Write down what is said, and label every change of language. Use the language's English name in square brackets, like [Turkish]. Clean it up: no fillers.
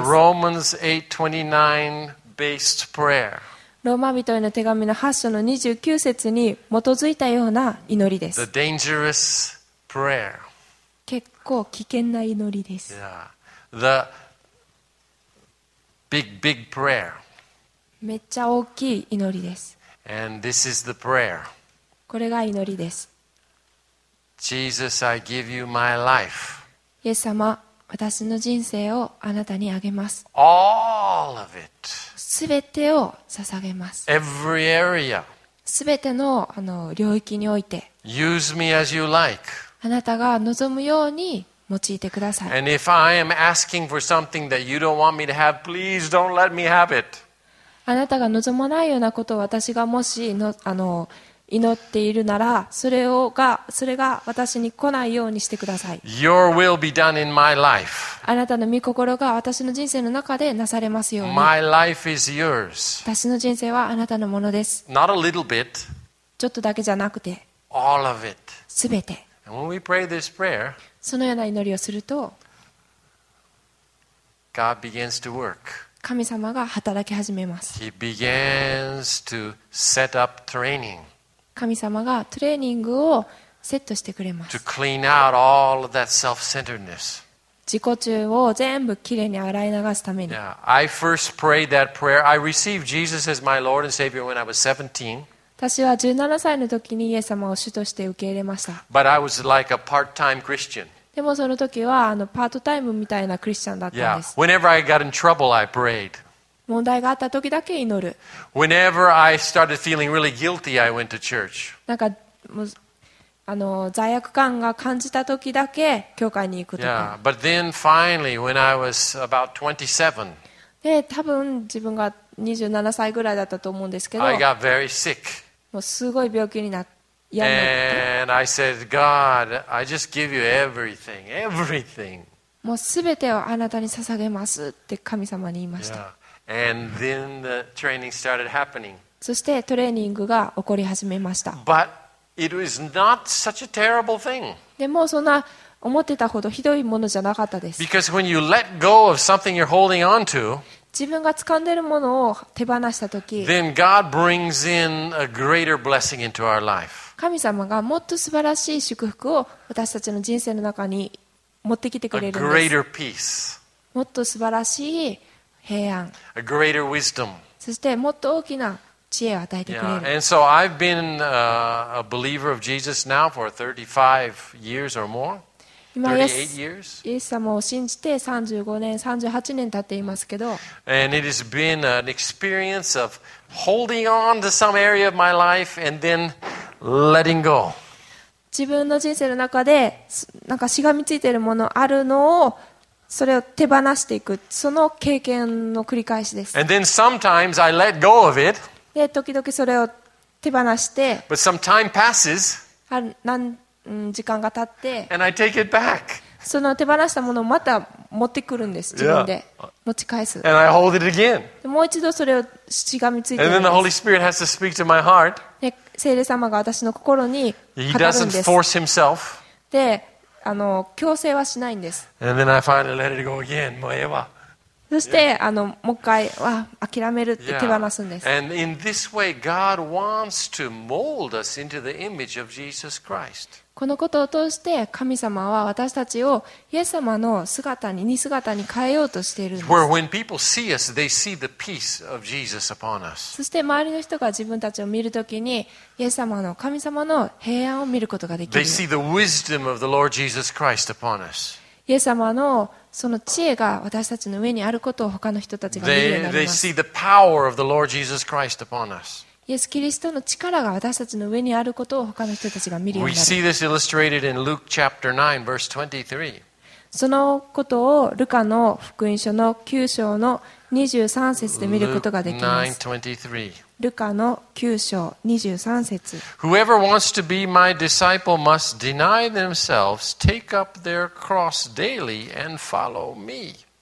[English] The Romans 8:29 based prayer. [Japanese] ローマ人への手紙の8章の29節に基づいたような祈りです。 [English] The dangerous prayer. [Japanese] 結構危険な祈りです。 [English] Yeah. The big, big prayer. [Japanese] めっちゃ大きい祈りです。 [English] And this is the prayer. [Japanese] これが祈りです。 [English] Jesus, I give you my life. [Japanese] イエス様、私の人生をあなたにあげます。 [English] All of it. [Japanese] すべてを捧げます。 [English] Every area. [Japanese] すべての、あの、領域において。 [English] Use me as you like. [Japanese] あなたが望むように用いてください。 [English] And if I am asking for something that you don't want me to have, please don't let me have it. [Japanese] あなたが望まないようなことを私がもしの、あの、祈っているなら、それが私に来ないようにしてください。 [English] Your will be done in my life. [Japanese] あなたの御心が私の人生の中でなされますように。 [English] My life is yours. [Japanese] 私の人生はあなたのものです。 [English] Not a little bit. [Japanese] ちょっとだけじゃなくて。 [English] All of it. [Japanese] すべて。 [English] And when we pray this prayer, [Japanese] そのような祈りをすると、 [English] God begins to work. [Japanese] 神様が働き始めます。 [English] He begins to set up training. [Japanese] 神様がトレーニングをセットしてくれます。 [English] To clean out all of that self-centeredness. [Japanese] 自己中を全部きれいに洗い流すために。 [English] Yeah, I first prayed that prayer. I received Jesus as my Lord and Savior when I was 17. [Japanese] 私は17歳の時にイエス様を主として受け入れました。 [English] But I was like a part-time Christian. [Japanese] でもその時はあのパートタイムみたいなクリスチャンだったんです。 [English] Yeah, whenever I got in trouble, I prayed. [Japanese] 問題があった時だけ祈る。 [English] Whenever I started feeling really guilty, I went to church. [Japanese] なんかもうあの罪悪感が感じた時だけ教会に行くとか。 [English] Yeah, but then finally, when I was about 27, [Japanese] で多分自分が27歳ぐらいだったと思うんですけど、 [English] I got very sick. [Japanese] もうすごい病気になって。 [English] And I said, God, I just give you everything, everything. [Japanese] もうすべてをあなたに捧げますって神様に言いました。 [English] Yeah. And then the training started happening. [Japanese] そしてトレーニングが起こり始めました。 [English] But it was not such a terrible thing. [Japanese] でもそんな思ってたほどひどいものじゃなかったです。 [English] Because when you let go of something you're holding on to, [Japanese] 自分が掴んでるものを手放したとき、 [English] then God brings in a greater blessing into our life. [Japanese] 神様がもっと素晴らしい祝福を私たちの人生の中に持ってきてくれるんです。 [English] A greater peace. [Japanese] もっと素晴らしい平安、 [English] A greater wisdom. [Japanese] そしてもっと大きな知恵を与えてくれる。 [English] Yeah. And so I've been a believer of Jesus now for 35 years or more. [Japanese] 今イエス様を信じて35年、38年経っていますけど、 [English] And it has been an experience of holding on to some area of my life and then letting go. [Japanese] 自分の人生の中でなんかしがみついているものあるのをそれを手放していく、その経験の繰り返しです。 [English] And then sometimes I let go of it. [Japanese] で、時々それを手放して、 [English] But some time passes. [Japanese] 時間が経って、 [English] And I take it back. [Japanese] その手放したものをまた持ってくるんです、自分で。持ち返す。 [English] And I hold it again. [Japanese] もう一度それをしがみついて。 [English] And then the Holy Spirit has to speak to my heart. [Japanese] 聖霊様が私の心に語るんです。 [English] He doesn't force himself. [Japanese] で、強制はしないんです。 [English] And then I finally let it go again. [Japanese] もうええわ。そして、もう一回は諦めるって手放すんです。 [English] And in this way, God wants to mold us into the image of Jesus Christ. [Japanese] このことを通して、神様は私たちをイエス様の姿に、似姿に変えようとしているんです。 [English] Where when people see us, they see the peace of Jesus upon us. [Japanese] そして、周りの人が自分たちを見るときに、イエス様の、神様の平安を見ることができる。 [English] They see the wisdom of the Lord Jesus Christ upon us. [Japanese] イエス様のその知恵が私たちの上にあることを他の人たちが見るようになります。 [English] They see the power of the Lord Jesus Christ upon us. [Japanese] イエス・キリストの力が私たちの上にあることを他の人たちが見るようになります。 [English] We see this illustrated in Luke chapter 9, verse 23. [Japanese] そのことをルカの福音書の9章の23節で見ることができます。ルカの9章23節。 [English] Whoever wants to be my disciple must deny themselves, take up their cross daily and follow me.